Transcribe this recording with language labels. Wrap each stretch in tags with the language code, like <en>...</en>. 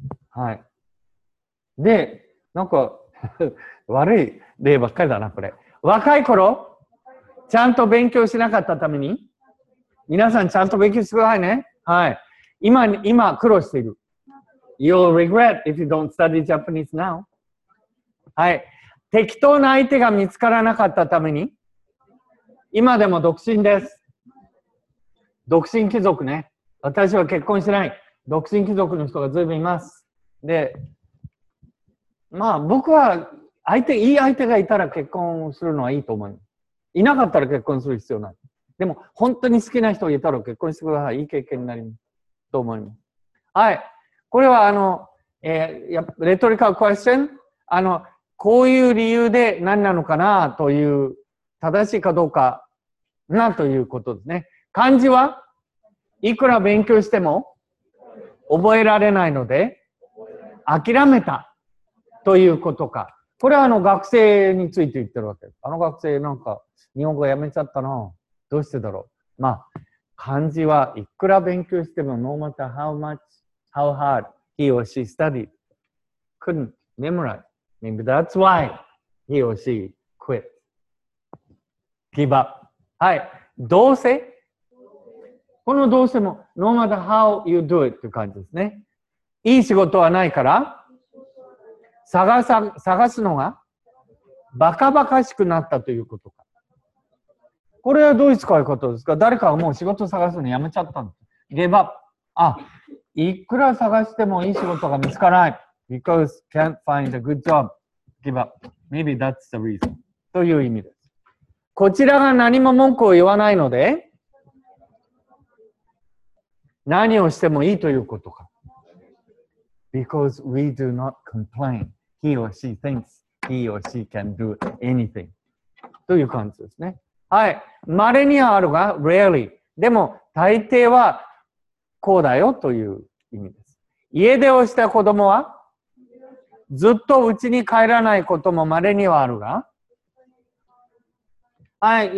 <ja>はい。で、なんか、悪い例ばっかりだな、これ。若い頃、ちゃんと勉強しなかったために、皆さんちゃんと勉強してくださいね。はい。今苦労している。</ja> <en>You'll regret if you don't study Japanese now.</en> <ja>はい。適当な相手が見つからなかったために、今でも独身です。独身貴族ね。私は結婚しない。独身貴族の人がずいぶんいます。で、まあ僕は相手、いい相手がいたら結婚するのはいいと思います。いなかったら結婚する必要ない。でも本当に好きな人がいたら結婚してください。いい経験になりますと思います。はい。これはレトリカルクエスチョン。こういう理由で何なのかなという、正しいかどうかなということですね。漢字はいくら勉強しても覚えられないので、諦めた。ということか。これは学生について言ってるわけです。学生なんか日本語やめちゃったな。どうしてだろう。</ja> <en>まあ、漢字はいくら勉強しても no matter how much, how hard he or she studied, couldn't memorize. Maybe that's why he or she quit.</en> <ja>Give up. はい。どうせ？このどうせも no matter how you do it という感じですね。いい仕事はないから、探すのがバカバカしくなったということか。これはどういう使い方ですか？誰かがもう仕事探すのやめちゃったんです。ゲバッ。あ、いくら探してもいい仕事が見つからない。</ja> <en>Because can't find a good job. Give up.</en> <ja>Maybe that's the reason. という意味です。こちらが何も文句を言わないので、何をしてもいいということか。</ja> <en>Because we do not complain. He or she thinks he or she can do anything.</en> <ja>という感じですね。はい。まれにはあるが、rarely。でも、大抵はこうだよという意味です。家出をした子供は、ずっと家に帰らないこともまれにはあるが、はい。</ja>